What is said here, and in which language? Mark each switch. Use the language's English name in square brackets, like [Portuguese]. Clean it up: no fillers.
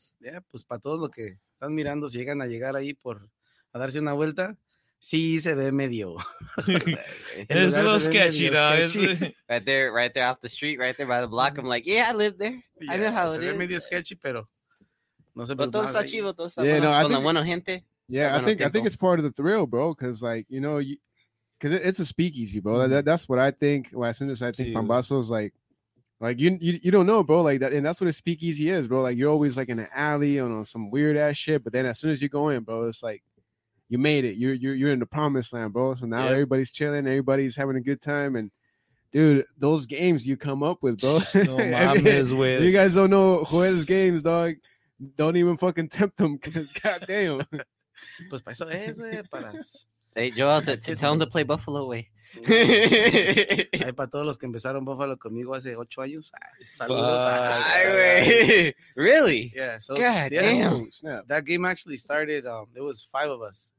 [Spanish] Yeah, pues para todos los que están mirando, si llegan a llegar ahí por a darse una vuelta, sí se ve medio. [English] And it's a little sketchy, dog. Right there off the street, right there by the block. I'm like, yeah, I live there. Yeah, I know how it is. [Spanish] Se ve medio sketchy, pero. No sé, but todo está chivo, todo está bueno, con la buena gente. [English] Yeah, I think tiempo. I think it's part of the thrill, bro, because, like, you know, because it's a speakeasy, bro. Mm-hmm. That's what I think. Well, as soon as I think Pambazos, like you don't know, bro, like that, and that's what a speakeasy is, bro. Like, you're always, like, in an alley on some weird-ass shit, but then as soon as you go in, bro, it's like you made it. You're in the promised land, bro. So now everybody's chilling, everybody's having a good time, and... Dude, those games you come up with, bro. You guys don't know Joel's games, dog. Don't even fucking tempt them, because goddamn. [Spanish] Pues para eso es, güey, para... [English] Hey, Joel, to tell him to play Buffalo, güey. [Spanish] Ay, para todos los que empezaron Buffalo conmigo hace 8 años. Saludos. Ay, güey. Really? [English] Yeah. So, goddamn. Yeah, that game actually started, it was 5 of us.